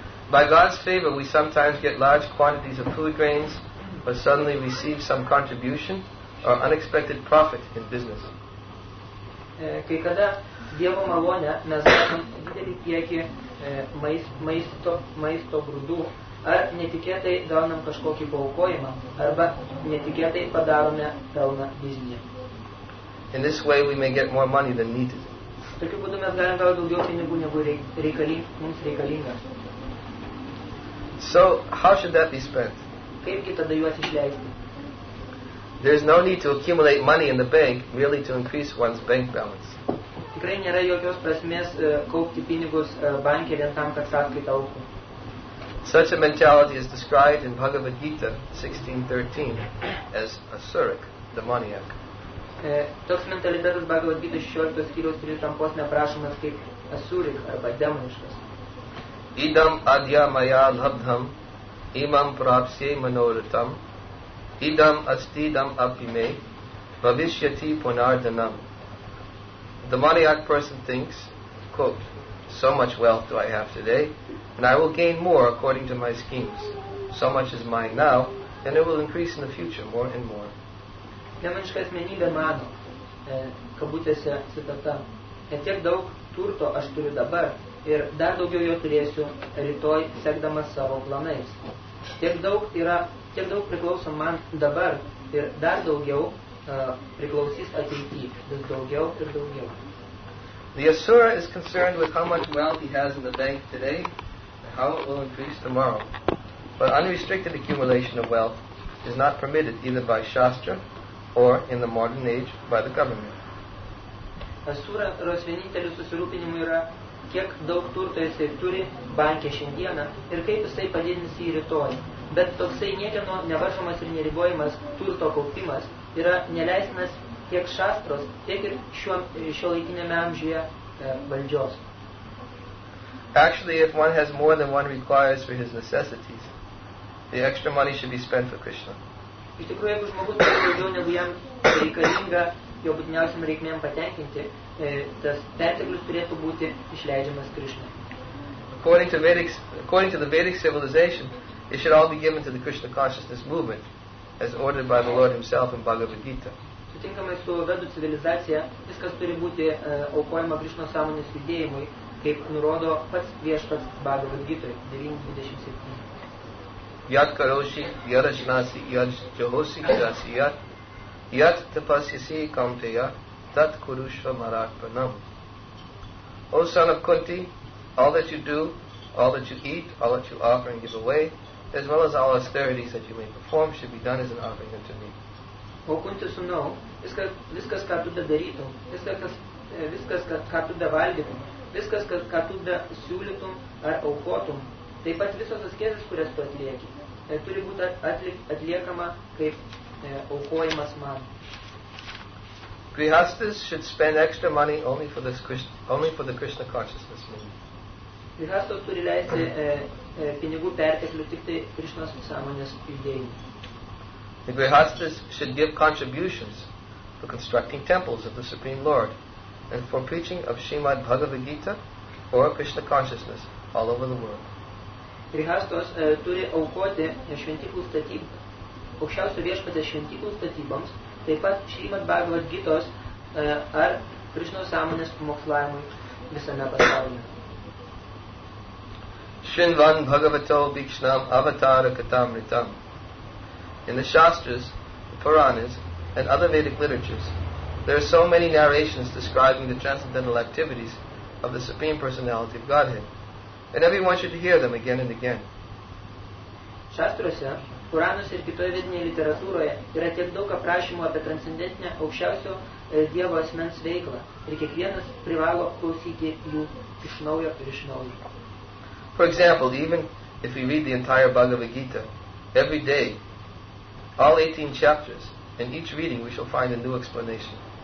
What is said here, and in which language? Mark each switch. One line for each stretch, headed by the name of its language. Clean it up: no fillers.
English: By God's favor, we sometimes get large quantities of food grains, or suddenly receive some contribution, or unexpected profit in business.
Lithuanian: Kai kada Dievo malonė, mes gavom didelį kiekį maisto grūdų, ar netikėtai gaunam kažkokį paukojimą, arba netikėtai padarome pelną biznį.
English: In this way we may get more money than needed.
Lithuanian: Tokiu būdu mes galim gauti daugiau pinigų, negu mums reikalinga.
English: So, how should that be spent?
Lithuanian: Kaipgi tada juos išleisti?
English: There is no need to accumulate money in the bank merely to increase one's bank balance.
Lithuanian: Tikrai nėra jokios prasmės kaupti pinigus banke vien tam, kad sąskaita augtų.
English: Such a mentality is described in Bhagavad Gita 16:13 as asuric, demoniac.
Lithuanian: Toks mentalitetas Bhagavad Gita 16 skyriaus 13 posme aprašomas kaip asuric arba demoniškas.
Sanskrit: Idam adya maya labdham imam prapsye manoritam idam astidam apime bhavishyati punardhanam.
English: The demoniac person thinks, quote, so much wealth do I have today, and I will gain more according to my schemes. So much is mine now, and it will increase in the future more and more.
Lithuanian: Demoniška asmenybė mano, kabutėse citata, kad tiek daug turto aš turiu dabar, ir dar daugiau jo turėsiu rytoj sekdamas savo planais. Tiek daug priklauso man dabar ir dar daugiau priklausys ateity, vis daugiau ir daugiau.
English: The asura is concerned with how much wealth he has in the bank today and how it will increase tomorrow. But unrestricted accumulation of wealth is not permitted either by Shastra or in the modern age by the government.
Lithuanian: Asura rosvienintelio susirūpinimo yra kiek daug turto jisai turi banke šiandieną ir kaip jisai padidins jį rytoj. Bet toksai niekieno nevaržomas ir neribojamas turto kaupimas yra neleistinas tiek šastros, tiek ir šio laikiniame amžiuje valdžios.
English: Actually, if one has more than one requires for his necessities, the extra money should be spent for Krishna.
Lithuanian: Iš tikrųjų, jeigu žmogus turi daugiau negu jam reikalinga jo būtiniausiam reikmėm patenkinti, tas perteklius turėtų būti išleidžiamas Krishna.
English: According to the Vedic civilization, it should all be given to the Krishna consciousness movement, as ordered by the Lord himself in Bhagavad Gita.
Lithuanian: Sutinkamai su Vedų civilizacija, viskas turi būti aukojama Krishna sąmonės judėjimui, kaip nurodo pats viešpats Bhagavad Gitoje 9.27.
Sanskrit: Yat karoshi, yat ajnasi, yat jahosi, jasi yat, yat tapasyasi kaunteya, tat kurushva marakpanam.
English: O son of Kunti, all that you do, all that you eat, all that you offer and give away, as well as all austerities that you may perform, should be done as an offering unto me.
Lithuanian: O Kunti sūnau, viskas, ką tu darytum, viskas, ką tu valgytum, viskas, ką tu siūlytum ar aukotum, taip pat visos askezės, kurias tu atlieki, turi būti atliekama kaip aukojimas man.
English: Grihasthas should spend extra money only for this only for the Krishna consciousness movement.
Lithuanian: Grihasthas turi leisti pinigų perteklių tik tai Krishnos sąmonės judėjimui.
English: The Grihasthas should give contributions for constructing temples of the Supreme Lord and for preaching of Srimad Bhagavad Gita or Krishna consciousness all over the world.
Lithuanian: Grihasthas turi aukoti šventyklų statybą. Aukščiausio viešpaties šventyklų statyboms, taip pat Srimad Bhagavad Gitos ar Krishnos sąmonės pamokslavimui visame pasaulyje.
Sanskrit: Shrinvan Bhagavato Bhikshnam Avatara Katamritam.
English: In the Shastras, the Puranas, and other Vedic literatures, there are so many narrations describing the transcendental activities of the Supreme Personality of Godhead, and everyone should hear them again and again.
Lithuanian: Шастрося, Куранус ir kitoje vidinėje literatūroje yra tiek daug aprašymų apie transcendentinę aukščiausio Dievo asmens veiklą, ir kiekvienas privalo klausyti jų iš naujo ir iš naujo.
English: For example, even if we read the entire Bhagavad Gita every day, all 18 chapters, in each reading we shall find a new explanation.